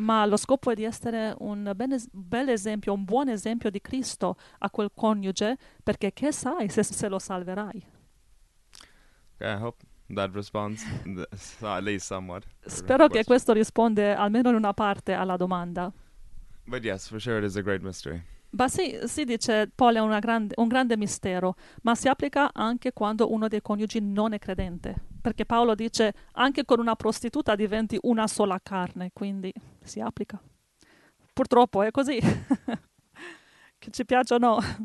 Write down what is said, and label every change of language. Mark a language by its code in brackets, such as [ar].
[it] Ma lo scopo è di essere un bel esempio, un buon esempio di Cristo a quel coniuge, perché che sai se lo salverai? [en] I hope that responds at least somewhat to [it] Spero [en] the [it] che questo risponda almeno in una parte alla domanda. [en] But yes, for sure it is a great mystery. [it] Ma sì, si dice, Paul, è un grande mistero, ma si applica anche quando uno dei coniugi non è credente, perché Paolo dice, anche con una prostituta diventi una sola carne, quindi si applica. Purtroppo è così, che ci piaccia o no.